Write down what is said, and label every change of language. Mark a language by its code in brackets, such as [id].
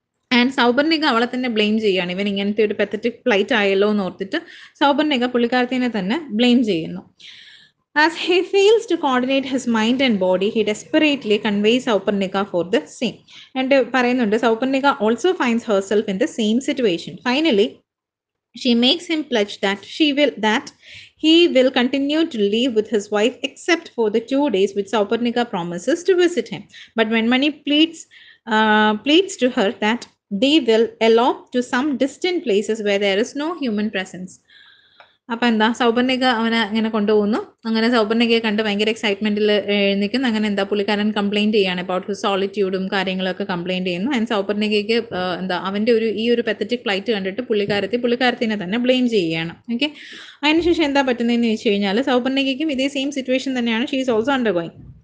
[ml] And Sauparnika അവളെ തന്നെ blame ചെയ്യുകയാണ്. ഇവൻ ഇങ്ങനത്തെ ഒരു പെത്തറ്റിക് ഫ്ലൈറ്റ് ആയല്ലോ എന്ന് ഓർത്തിട്ട് സൗപർണിക പുള്ളിക്കാരത്തിനെ തന്നെ ബ്ലെയിം ചെയ്യുന്നു. [en] As he fails to coordinate his mind and body, he desperately conveys Souparnika for the same. And [ml] parayunnundu [en] Souparnika also finds herself in the same situation. Finally, she makes him pledge that he will continue to live with his wife except for the 2 days which Souparnika promises to visit him. But Venmani pleads to her that they will elope to some distant places where there is no human presence. [ml] അപ്പം എന്താ സൗപർണിക അവനെ ഇങ്ങനെ കൊണ്ടുപോകുന്നു. അങ്ങനെ സൗപർണികയെ കണ്ട് ഭയങ്കര എക്സൈറ്റ്മെൻറ്റിൽ എഴുന്നേൽക്കുന്നു. അങ്ങനെ എന്താ പുള്ളിക്കാരൻ കംപ്ലൈൻറ്റ് ചെയ്യാണ് [en] about his സോളിറ്റ്യൂഡും [ml] കാര്യങ്ങളൊക്കെ കംപ്ലൈൻറ്റ് ചെയ്യുന്നു. ആൻഡ് സൗപർണികയ്ക്ക് എന്താ അവൻ്റെ ഒരു ഈ ഒരു പെത്തറ്റിക് ഫ്ലൈറ്റ് കണ്ടിട്ട് പുള്ളിക്കാരത്തിനെ തന്നെ ബ്ലെയിം ചെയ്യുകയാണ്. ഓക്കെ, അതിനുശേഷം എന്താ പറ്റുന്നതെന്ന് ചോദിച്ചു കഴിഞ്ഞാൽ സൗപർണികയ്ക്കും ഇതേ സെയിം സിറ്റുവേഷൻ തന്നെയാണ് [en] She is also undergoing.